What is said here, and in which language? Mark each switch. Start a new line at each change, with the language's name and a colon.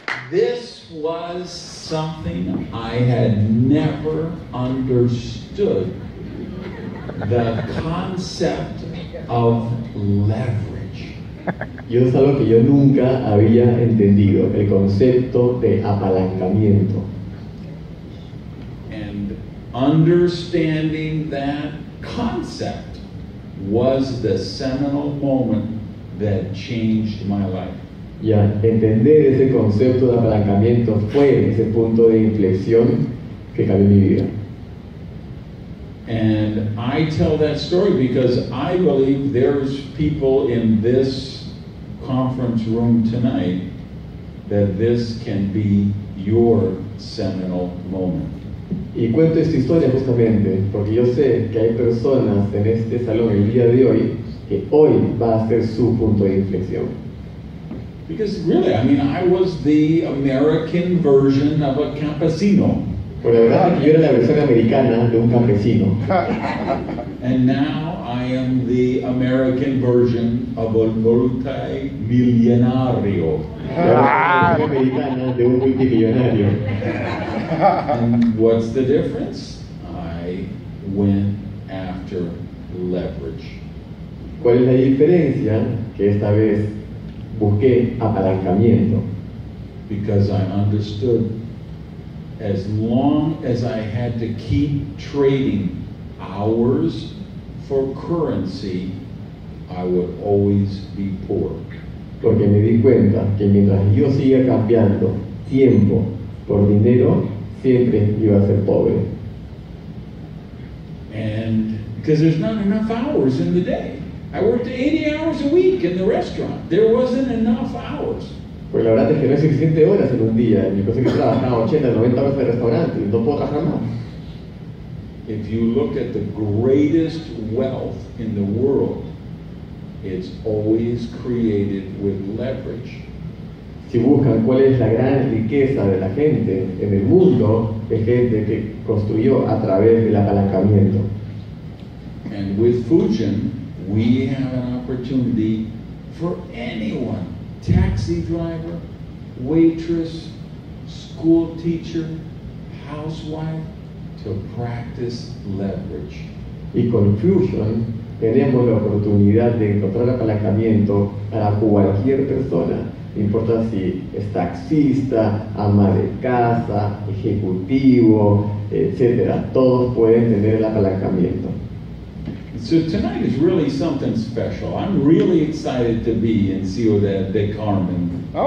English: This was something I had never understood, the concept of leverage.
Spanish: Y es algo que yo nunca había entendido, el concepto de apalancamiento.
English: And understanding that concept was the seminal moment that changed my life.
Spanish: Ya, entender ese concepto de apalancamiento fue ese punto de inflexión que cambió mi vida.
English: And I tell that story because I believe there's people in this conference room tonight that this can be your seminal moment.
Spanish: Y cuento esta historia justamente porque yo sé que hay personas en este salón el día de hoy que hoy va a ser su punto de inflexión.
English: Because really, I mean, I was the American version of a campesino.
Spanish: Por la verdad, yo era la versión americana de un campesino.
English: And now I am the American version of a multimillonario.
Spanish: Americana de un multimillonario.
English: And what's the difference? I went after leverage.
Spanish: ¿Cuál es la diferencia? Que esta vez busqué apalancamiento.
English: Because I understood, as long as I had to keep trading hours for currency, I would always be poor.
Spanish: Porque me di cuenta que mientras yo siga cambiando tiempo por dinero, siempre iba a ser pobre.
English: And because there's not enough hours in the day. I worked 80 hours a week in the restaurant. There wasn't enough hours.
Spanish: Pues la verdad es que no hay suficiente horas en un día. Yo pensé que trabajaba 80, 90 horas en el restaurante y no puedo trabajar más.
English: if you look at the greatest wealth in the world, it's always created with leverage.
Spanish: Si buscan cuál es la gran riqueza de la gente en el mundo, es gente que construyó a través del apalancamiento.
English: And with Fujin, we have an opportunity for anyone: taxi driver, waitress, school teacher, housewife, to practice leverage.
Spanish: Y con Fujin tenemos la oportunidad de encontrar apalancamiento para cualquier persona. No importa si es taxista, ama de casa, ejecutivo, etcétera, todos pueden tener el apalancamiento.
English: So tonight is really something special. I'm really excited to be in Ciudad de Carmen.